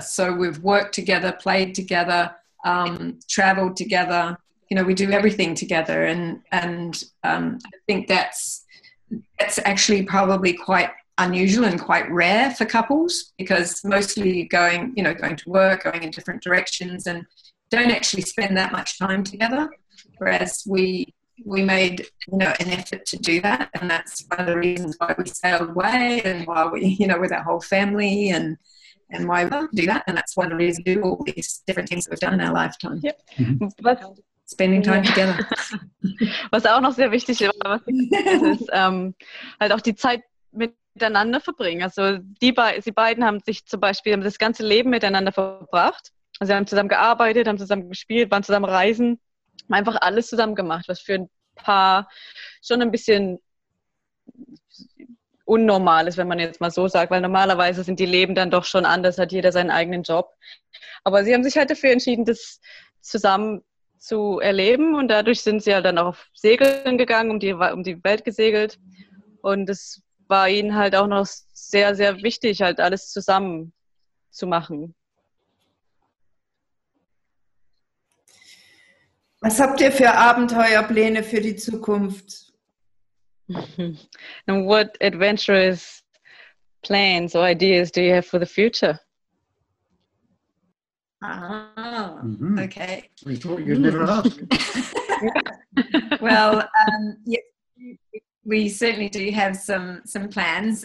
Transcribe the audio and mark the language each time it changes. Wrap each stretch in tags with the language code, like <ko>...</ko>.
<en>So we've worked together, played together. Travel together, you know, we do everything together, and I think that's actually probably quite unusual and quite rare for couples, because mostly going to work, going in different directions, and don't actually spend that much time together, whereas we made, you know, an effort to do that, and that's one of the reasons why we sailed away, and why we, you know, with our whole family, and why we do that, and that's one of the reasons we do all these different things we've done in our lifetime. Yep. Mm-hmm. Spending time together.</en> <de>Was auch noch sehr wichtig ist, halt auch die Zeit miteinander verbringen. Also sie beiden haben sich zum Beispiel das ganze Leben miteinander verbracht. Also sie haben zusammen gearbeitet, haben zusammen gespielt, waren zusammen reisen, einfach alles zusammen gemacht, was für ein Paar schon ein bisschen unnormal ist, wenn man jetzt mal so sagt, weil normalerweise sind die Leben dann doch schon anders, hat jeder seinen eigenen Job. Aber sie haben sich halt dafür entschieden, das zusammen zu erleben, und dadurch sind sie halt dann auch auf Segeln gegangen, um die Welt gesegelt, und es war ihnen halt auch noch sehr, sehr wichtig, halt alles zusammen zu machen. Was habt ihr für Abenteuerpläne für die Zukunft?</de> <en>And what adventurous plans or ideas do you have for the future? Okay. We thought you'd never ask. Well, we certainly do have some plans.</en>